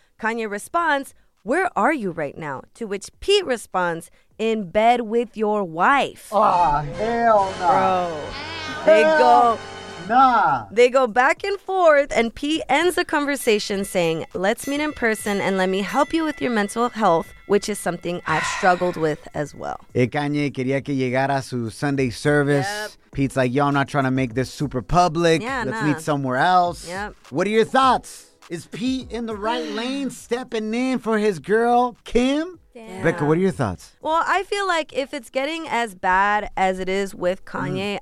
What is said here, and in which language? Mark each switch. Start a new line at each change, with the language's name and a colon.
English: Kanye responds, "Where are you right now?" To which Pete responds, "In bed with your wife." Oh, hell no. Bro. Hell they go. Nah. They go back and forth, and Pete ends the conversation saying, "Let's meet in person and let me help you with your mental health, which is something I've struggled with as well."
Spanish: Hey, Kanye quería que llegara a su Sunday service.
English: Yep. Pete's like, "Yo, I'm not trying to make this super public. Yeah, let's meet somewhere else." Yep. What are your thoughts? Is Pete in the right lane, stepping in for his girl, Kim? Damn. Becca, what are your thoughts? Well, I feel like if it's getting as bad as it is with Kanye, mm-hmm.